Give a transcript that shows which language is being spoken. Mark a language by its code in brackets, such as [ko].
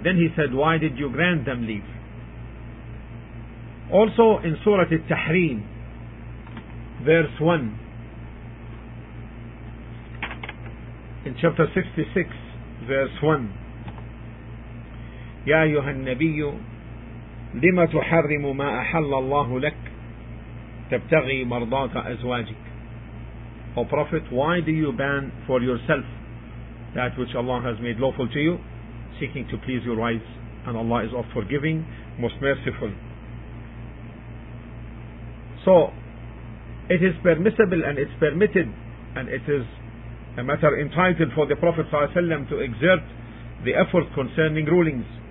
[en] Then he said, why did you grant them leave? Also in Surah At-Tahrim, verse 1, in chapter 66, verse 1, [ar] يَا أَيُّهَا النَّبِيُّ لما تحرم ما أحل الله لك تبتغي مرضات أزواجك. [en] O Prophet, why do you ban for yourself that which Allah has made lawful to you, seeking to please your wives? And Allah is all forgiving, most merciful. So it is permissible and it's permitted, and it is a matter entitled for the Prophet ﷺ to exert the effort concerning rulings.